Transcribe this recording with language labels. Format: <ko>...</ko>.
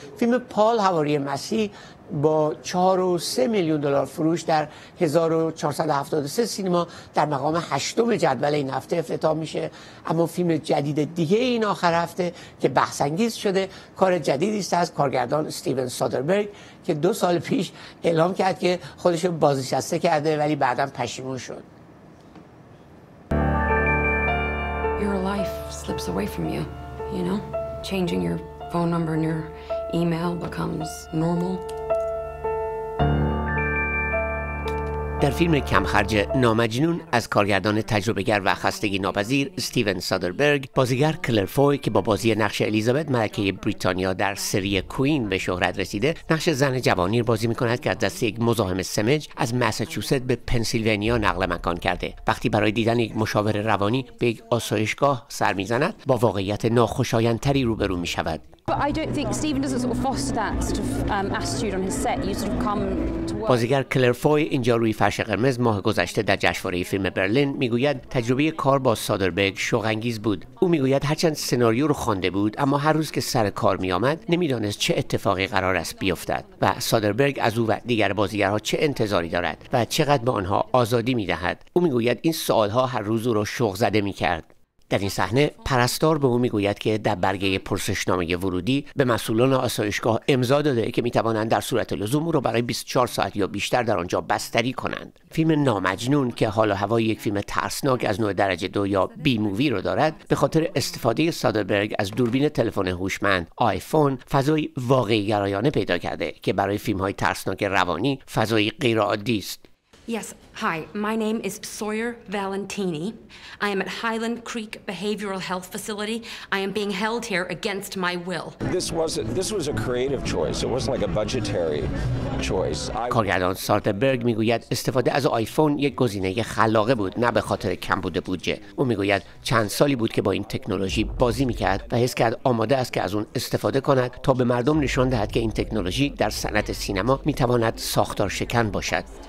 <fa>فیلم پال حواری مسیح با 4.3 میلیون دلار فروش در 1473 سینما در مقام هشتم جدول این هفته افتتاح میشه. اما فیلم جدید دیگه این آخر هفته که بحث انگیز شده کار جدیدی است از کارگردان استیون سودربرگ که دو سال پیش اعلام کرد که خودش رو بازنشسته کرده ولی بعدا پشیمون شد.</fa> <en>Your life slips away from you, you know? Changing your phone number and your email becomes normal.</en> <fa>در فیلم کمخرج نامجنون از کارگردان تجربه‌گر و خستگی ناپذیر استیون سادربرگ، بازیگر کلر فوی که با بازی نقش الیزابت ملکه بریتانیا در سری کوین به شهرت رسیده نقش زن جوانی را بازی می‌کند که از دست یک مزاحم سمج از ماساچوست به پنسیلوانیا نقل مکان کرده. وقتی برای دیدن یک مشاور روانی به یک آسایشگاه سر می‌زند با واقعیت ناخوشایندتری روبرو می‌شود.</fa> <en>But I don't think Stephen doesn't sort of foster that sort of attitude on his set. You sort of come to work.</en> <fa>بازیگر کلر فوی اینجا روی فرش قرمز ماه گذشته در جشنواره فیلم برلین میگوید تجربه کار با سادربرگ شوق‌انگیز بود. او میگوید هرچند سناریو رو خوانده بود اما هر روز که سر کار میآمد نمیدانست چه اتفاقی قرار است بیفتد و سادربرگ از او و دیگر بازیگرها چه انتظاری دارد و چقدر به آنها آزادی میدهد. او میگوید این سوالها هر روز او را شوق زده میکرد. در این صحنه پرستار به او میگوید که در برگه پرسشنامه ورودی به مسئولان آسایشگاه امضا داده که میتوانند در صورت لزوم او را برای 24 ساعت یا بیشتر در آنجا بستری کنند. فیلم نامجنون که حال و هوای یک فیلم ترسناک از نوع درجه دو یا بی مووی را دارد به خاطر استفاده سادربرگ از دوربین تلفن هوشمند آیفون فضای واقعی گرایانه پیدا کرده که برای فیلم‌های ترسناک روانی فضای غیرعادی است.</fa> <en>Yes, hi. My name is Sawyer Valentini. I am at Highland Creek Behavioral Health Facility. I am being held here against my will. This was a creative choice. It wasn't like a budgetary choice.</en> <fa>کارگردان سادربرگ میگوید استفاده از آیفون یک گزینه خلاقه بود نه به خاطر کمبود بودجه. او میگوید چند سالی بود که با این تکنولوژی بازی میکرد و حس کرد آماده است که از اون استفاده کند تا به مردم نشان دهد که این تکنولوژی در صنعت سینما میتواند ساختار شکن باشد.</fa>